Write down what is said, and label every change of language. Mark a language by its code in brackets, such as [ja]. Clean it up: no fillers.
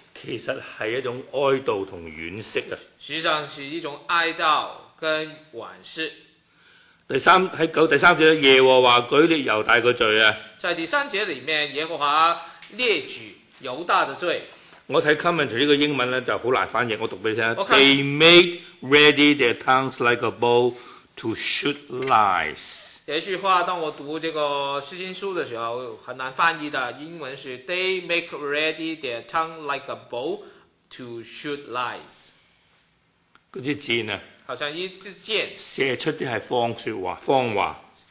[zh] 其实是一种哀悼和惋惜，实际上是一种哀悼跟惋惜。第三节，耶和华举列犹大的罪，在第三节里面耶和华列举犹大的罪。我看 commentary 这个英文就很难翻译，我读给你听。 [en] They made ready their tongues like a bow to shoot lies。 [zh] 这句话当我读这个释经书的时候很难翻译的，英文是 [en] They make ready their tongue like a bow to shoot lies。 [zh] 那些箭啊，好像一支箭射出的是谎说话，谎话